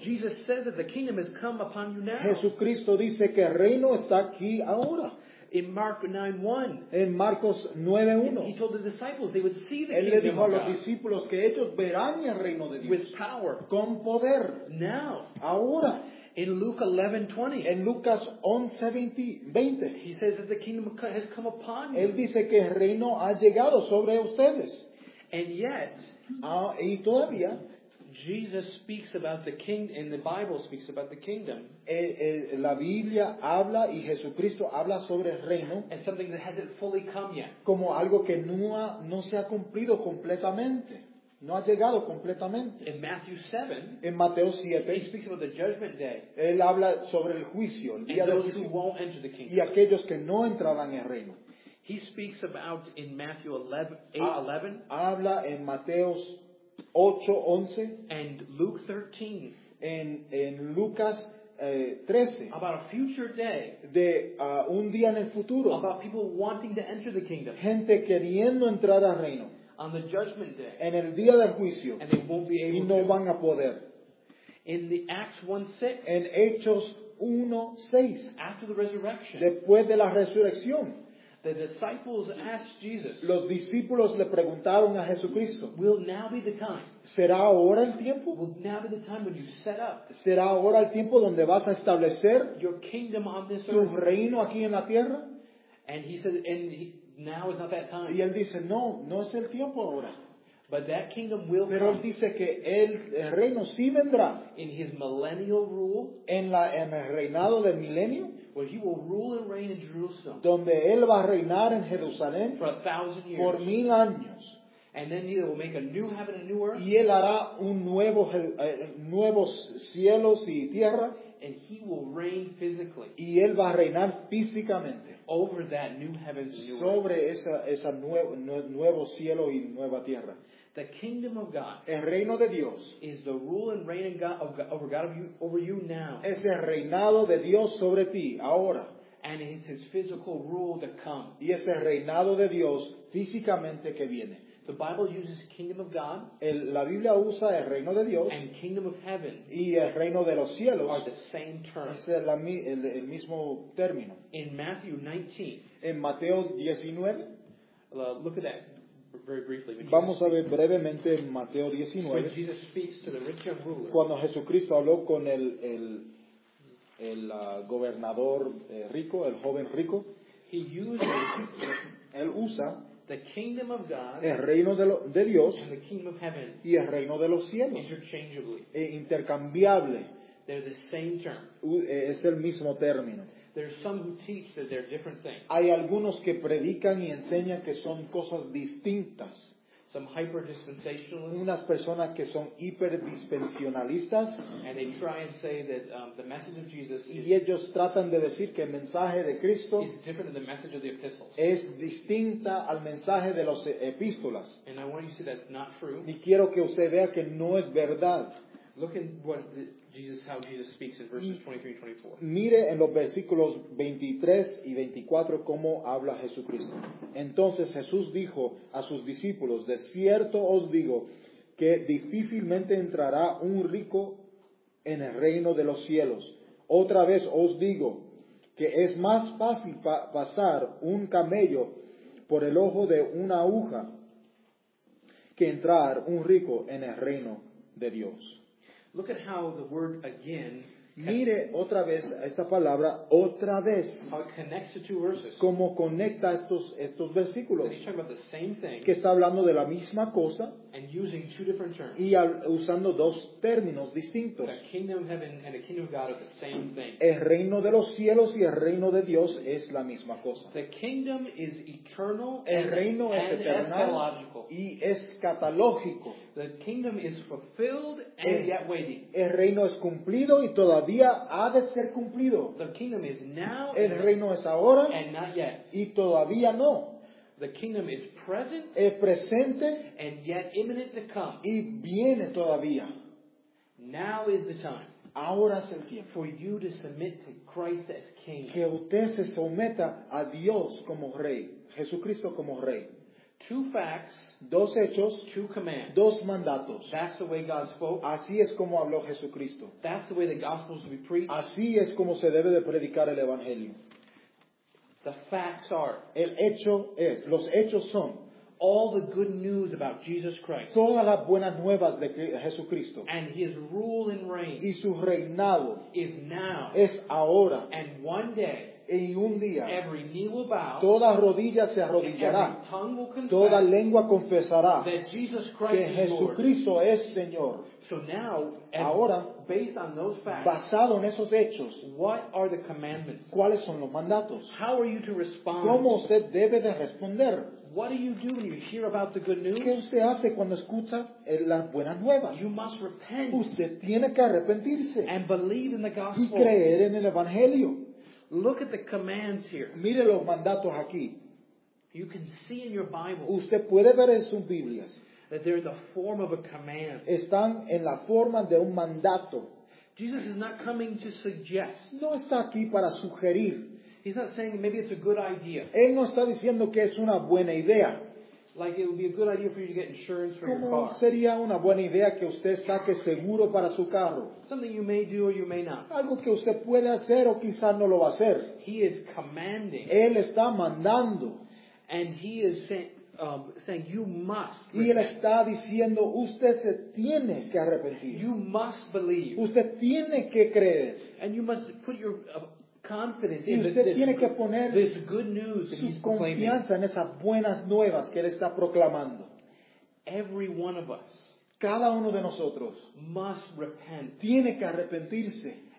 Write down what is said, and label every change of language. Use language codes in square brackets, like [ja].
[en] Jesus said that the kingdom has come upon you now. [es] Jesucristo dice que el reino está aquí ahora. [en] In Mark 9:1. [es] En Marcos 9:1. [en] He told the disciples they would see the kingdom. [es] Él le dijo a los discípulos que ellos verán el reino de Dios. [en] With power. [es] Con poder. [en] Now. [es] Ahora. [en] In Luke 11:20. [es] En Lucas 11:20. [en] He says that the kingdom has come upon you. [es] Él dice que el reino ha llegado sobre ustedes. [en] And yet, [es] y todavía, [en] Jesus speaks about the kingdom, and the Bible speaks about the kingdom. [es] La Biblia habla y Jesucristo habla sobre el reino. [en] As something that hasn't fully come yet. [es] Como algo que no se ha cumplido completamente. No ha llegado completamente. [en] In Matthew 7, [es] en Mateo 7, [en] he speaks about the judgment day. [es] Él habla sobre el juicio, el día [en] and those [es] del juicio, [en] who won't enter the kingdom. [es] Y aquellos que no entrarán en el reino. [en] He speaks about in Matthew 8:11. [es] Habla en Mateo 8:11. [en] And Luke 13. [es] En Lucas 13, [en] about a future day, [es] de un día en el futuro, [en] about people wanting to enter the kingdom, [es] gente queriendo entrar al reino, [en] on the judgment day, [es] en el día del juicio, [en] and they won't be able [es] y no [en] to. [es] Van a poder. [en] In the Acts 1:6, [es] en Hechos 1:6, [en] after the resurrection, [es] después de la resurrección, [en] the disciples asked Jesus, [es] los discípulos le preguntaron a Jesucristo, [en] will now be the time? [es] ¿Será ahora el tiempo? [en] Will now be the time when you set up? [es] ¿Será ahora el tiempo donde vas a establecer [en] your kingdom on this [es] tu reino aquí en la tierra? [en] And he said, and he, now is not that time. [es] Y él dice, no, no es el tiempo ahora. [en] But that kingdom will [es] pero [en] come. [es] Él dice que el reino sí vendrá. [en] In his millennial rule, [es] en el reinado del milenio, [en] where he will rule and reign in Jerusalem, [es] donde él va a reinar en Jerusalén [en] for 1,000 years, [es] por 1,000 años. [en] And then he will make a new heaven and a new earth. [es] Y él hará un nuevo nuevos cielos y tierra. [en] And he will reign physically. [es] Y él va a reinar físicamente. [en] Over that new heaven and new earth. [es] Sobre esa nuevo cielo y nueva tierra. [en] The kingdom of God. [es] El reino de Dios. [en] Is the rule and reign of God, over God over you now. [es] Es el reinado de Dios sobre ti ahora. [en] And it's his physical rule to come. [es] Y es el reinado de Dios físicamente que viene. [en] The Bible uses kingdom of God. [es] La Biblia usa el reino de Dios. [en] And kingdom of heaven. [es] Y el reino de los cielos. [en] Are the same term. [es] Es el mismo término. [en] In Matthew 19. [es] En Mateo 19. [en] Look at that very briefly. [es] Vamos a ver brevemente en Mateo 19. [en] When Jesus speaks to the rich young ruler. [es] Cuando Jesucristo habló con el gobernador rico, el joven rico. [en] He uses. [es] Él usa. [en] The kingdom of God, [es] el reino de Dios, [en] and the kingdom of heaven, [es] y el reino de los cielos, [en] interchangeably, [es] e intercambiable, [en] they're the same term. [es] Es el mismo término. [en] There's some who teach that they're different things. [es] Hay algunos que predican y enseñan que son cosas distintas. [en] Some hyper-dispensationalists. [es] Unas personas que son hiper-dispensionalistas. [en] And they try and say that the message of Jesus is. [es] Y ellos tratan de decir que el mensaje de Cristo [en] is different than the message of the epistles. [es] Es distinta al mensaje de los epístolas. [en] And I want you to see that's not true. [es] Y quiero que usted vea que no es verdad. [en] Look at how Jesus speaks in verses 23 and 24. [es] Mire en los versículos 23 y 24 cómo habla Jesucristo. Entonces Jesús dijo a sus discípulos, de cierto os digo que difícilmente entrará un rico en el reino de los cielos. Otra vez os digo que es más fácil pasar un camello por el ojo de una aguja que entrar un rico en el reino de Dios. [en] Look at how the word again. [es] Mire otra vez esta palabra otra vez. [en] How it connects the two verses. [es] Cómo conecta estos versículos. [en] He's talking about the same thing. [es] Que está hablando de la misma cosa. [en] And using two different terms. [es] Y usando dos términos distintos. [en] The kingdom of heaven and the kingdom of God are the same thing. [es] El reino de los cielos y el reino de Dios es la misma cosa. [en] The kingdom is eternal. [es] El reino es eterno y escatológico. [en] The kingdom is fulfilled and yet waiting. [es] El reino es cumplido y todavía ha de ser cumplido. [en] The kingdom is now. [es] El reino es ahora [en] and not yet. [es] Y todavía no. [en] The kingdom is present. [es] Es presente [en] and yet imminent to come. [es] Y viene todavía. [en] Now is the time. [es] Ahora es el tiempo. [en] For you to submit to Christ as king. [es] Que usted se someta a Dios como rey, Jesucristo como rey. [en] Two facts, [es] dos hechos, [en] two commands, [es] dos mandatos. [en] That's the way God spoke. [es] Así es como habló Jesucristo. [en] That's the way the gospel should be preached. [es] Así es como se debe de predicar el evangelio. [en] The facts are. [es] El hecho es. Los hechos son. [en] All the good news about Jesus Christ. [es] Todas las buenas nuevas de Jesucristo. [en] And his rule and reign. [es] Y su reinado. [en] Is now. [es] Es ahora. [en] And one day. [es] Y un día, [en] every knee will bow, [es] toda rodilla se arrodillará, [en] every tongue will confess, [es] toda lengua confesará [en] that Jesus Christ [es] que Jesucristo [en] is Lord. [es] Es Señor. [en] So now, [es] ahora, [en] based on those facts, [es] basado en esos hechos, [en] what are the commandments? [es] ¿Cuáles son los mandatos? [en] How are you to respond? [es] ¿Cómo usted debe de responder? [en] What do you do when you hear about the good news? [es] ¿Qué usted hace cuando escucha las buenas nuevas? [en] You must repent. [es] Usted tiene que arrepentirse. [en] And believe in the gospel. [es] Y creer en el evangelio. [en] Look at the commands here. [es] Mire los mandatos aquí. [en] You can see in your Bible. [es] Usted puede ver en sus Biblias. [en] That there is a form of a command. [es] Están en la forma de un mandato. [en] Jesus is not coming to suggest. [es] No está aquí para sugerir. [en] He's not saying maybe it's a good idea. [es] Él no está diciendo que es una buena idea. [en] Like it would be a good idea for you to get insurance for your car. [es] ¿Cómo sería una buena idea que usted saque seguro para su carro? [en] Something you may do or you may not. [es] Algo que usted puede hacer o quizás no lo va a hacer. [en] He is commanding. [es] Él está mandando. [en] And he is saying you must. [es] Y él está diciendo usted se tiene que arrepentir. [en] You must believe. [es] Usted tiene que creer. [en] And you must put your confidence [es] y usted tiene que poner [en] this good news [es] su confianza en esas buenas nuevas que él está proclamando. [en] Every one of us, [es] cada uno de nosotros, [en] must repent. [es] Tiene que arrepentirse.